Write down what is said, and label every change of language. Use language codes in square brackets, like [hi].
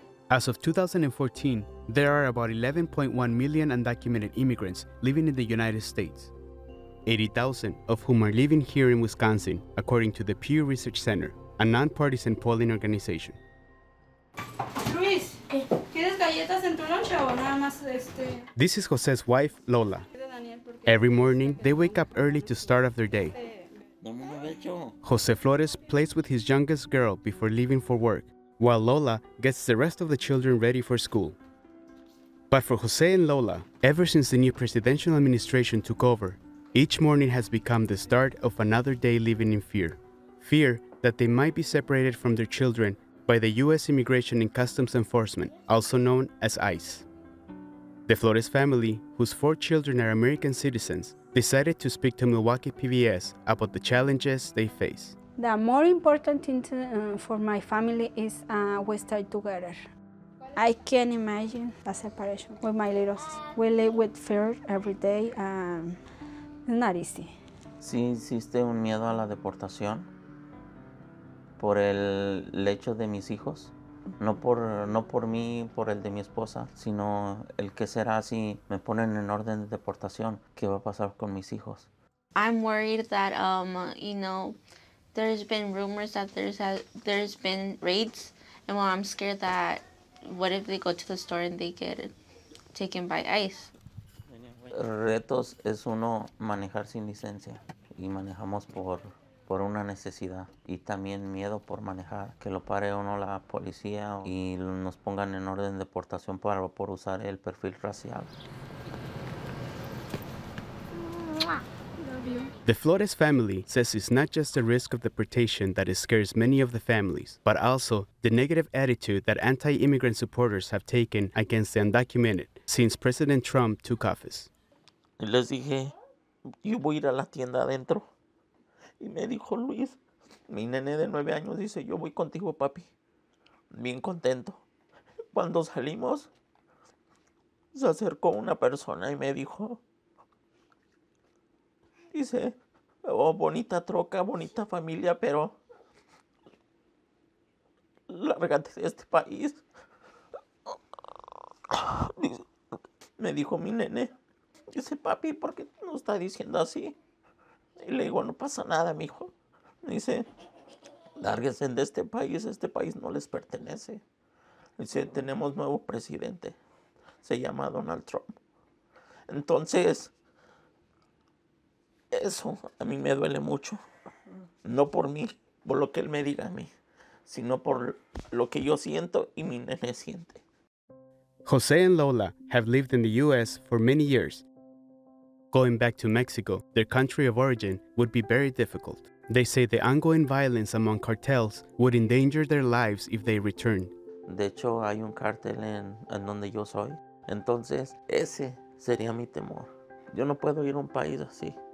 [en] As of 2014, there are about 11.1 million undocumented immigrants living in the United States, 80,000 of whom are living here in Wisconsin, according to the Pew Research Center, a nonpartisan polling organization. [es] Luis, ¿quieres galletas en tu lunch o nada más este? [en] This is José's wife, Lola. Every morning, they wake up early to start off their day. José Flores plays with his youngest girl before leaving for work, while Lola gets the rest of the children ready for school. But for Jose and Lola, ever since the new presidential administration took over, each morning has become the start of another day living in fear. Fear that they might be separated from their children by the U.S. Immigration and Customs Enforcement, also known as ICE. The Flores family, whose four children are American citizens, decided to speak to Milwaukee PBS about the challenges they face. The more important thing to, for my family is we stay together. I can't imagine a separation with my little sister. We live with fear every day, and it's not easy. [es] Sí, existe un miedo a la deportación por el hecho de mis hijos, no por mí, por el de mi esposa, sino el que será si me ponen en orden de deportación, qué va a pasar con mis hijos. [en] I'm worried that, you know, there's been rumors that there's been raids, and well, I'm scared that what if they go to the store and they get taken by ICE. [es] Retos es uno manejar sin licencia y manejamos por una necesidad y también miedo por manejar que lo pare uno la policía y nos pongan en orden de deportación por usar el perfil racial. [en] The Flores family says it's not just the risk of deportation that scares many of the families, but also the negative attitude that anti-immigrant supporters have taken against the undocumented since President Trump took office. [es] Y les dije, yo voy a ir a la tienda adentro. Y me dijo Luis, mi nene de 9 años dice, yo voy contigo, papi. Bien contento. Cuando salimos, se acercó una persona y me dijo, dice, oh, bonita troca, bonita familia, pero lárgate de este país. Dice, me dijo mi nene, dice, papi, ¿por qué no está diciendo así? Y le digo, no pasa nada, mijo. Dice, lárguense de este país no les pertenece. Dice, tenemos nuevo presidente, se llama Donald Trump. Entonces, eso a mí me duele mucho, no por mí, por lo que él me diga a mí, sino por lo que yo siento y mi nene siente. [en] José and Lola have lived in the U.S. for many years. Going back to Mexico, their country of origin, would be very difficult. They say the ongoing violence among cartels would endanger their lives if they return. [es] De hecho, hay un cartel en donde yo soy. Entonces, ese sería mi temor. Yo no puedo ir a un país así.